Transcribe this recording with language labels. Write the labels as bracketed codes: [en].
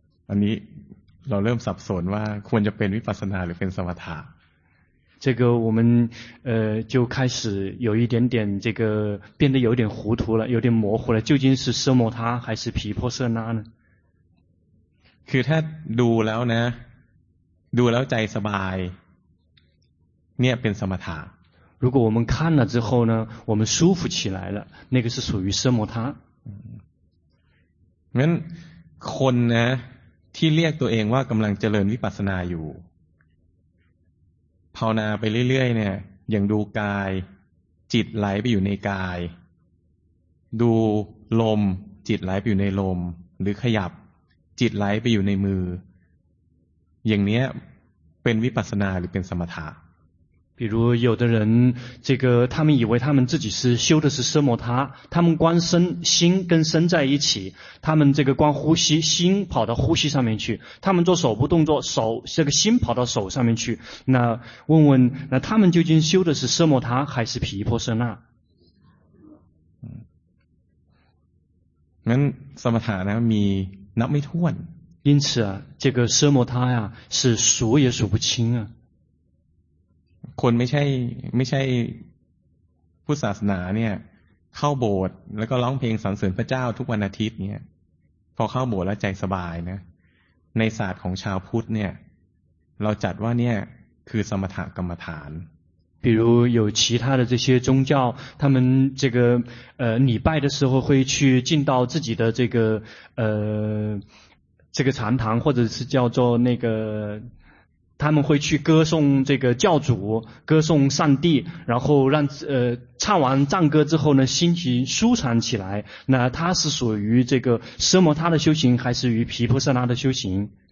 [th] อันนี้เราเริ่มสับสนว่าควรจะเป็นวิปัสสนาหรือเป็นสมถะ [zh] 这个我们就开始有一点点这个变得有点糊涂了有点模糊了究竟是奢摩他还是毗婆舍那呢 [th] คือถ้าดูแล้วนะดูแล้วใจสบายเนี่ยเป็นสมถะ [zh] 如果我们看了之后呢我们舒服起来了那个是属于奢摩他 [th] งั้นคนนะที่เรียกตัวเองว่ากำลังเจริญวิปัสสนาอยู่ภาวนาไปเรื่อยๆเนี่ยอย่างดูกายจิตไหลไปอยู่ในกายดูลมจิตไหลไปอยู่ในลมหรือขยับจิตไหลไปอยู่ในมืออย่างเนี้ยเป็นวิปัสสนาหรือเป็นสมถะ [zh] 比如有的人这个他们以为他们自己是修的是奢摩他他们观身心跟身在一起他们这个观呼吸心跑到呼吸上面去他们做手部动作手这个心跑到手上面去那问问那他们究竟修的是奢摩他还是毗婆舍那 [th] งั้นสมถะนะมีนับไม่ถ้วน [zh] 因此啊这个奢摩他呀是数也数不清啊 [th] คนไม่ใช่พุทธศาสนาเนี่ยเข้าโบสถ์แล้วก็ร้องเพลงสรรเสริญพระเจ้าทุกวันอาทิตย์เนี่ยพอเข้าโบสถ์แล้วใจสบายนะในศาสตร์ของชาวพุทธเนี่ยเราจัดว่าเนี่ยคือสมถกรรมฐาน [zh] 比如有其他的这些宗教他们这个礼拜的时候会去进到自己的这个禅堂或者是叫做那个他们会去歌颂这个教主歌颂上帝然后让唱完赞歌之后呢心情舒畅起来那他是属于这个奢摩他的修行还是于毗婆舍那的修行